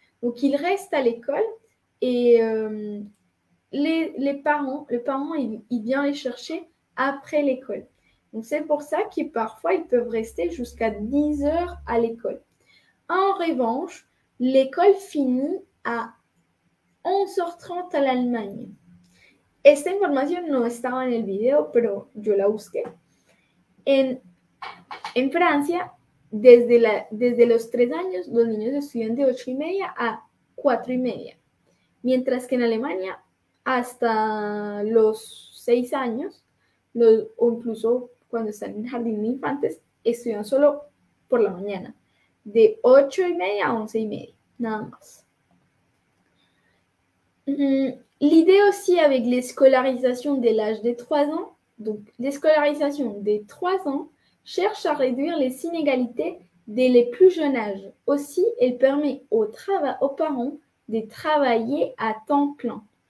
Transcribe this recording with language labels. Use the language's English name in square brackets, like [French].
[French] Donc, ils restent à l'école et le parent, il vient les chercher après l'école. Donc, c'est pour ça que parfois, ils peuvent rester jusqu'à 10 heures à l'école. En revanche, l'école finit à 11h30 à l'Allemagne. [Spanish] Esta información no estaba en el video, pero yo la busqué. En Francia, desde los 3 años, los niños estudian de 8:30 a 4:30. Mientras que en Alemania, hasta los 6 años, o incluso cuando están en jardín de infantes, estudian solo por la mañana, de 8:30 a 11:30, nada más. [French] L'idée aussi avec l'escolarisation dès l'âge des 3 ans, donc l'escolarisation des 3 ans cherche à réduire les inégalités dès les plus jeunes âges. Aussi, elle permet aux parents de travailler à temps plein.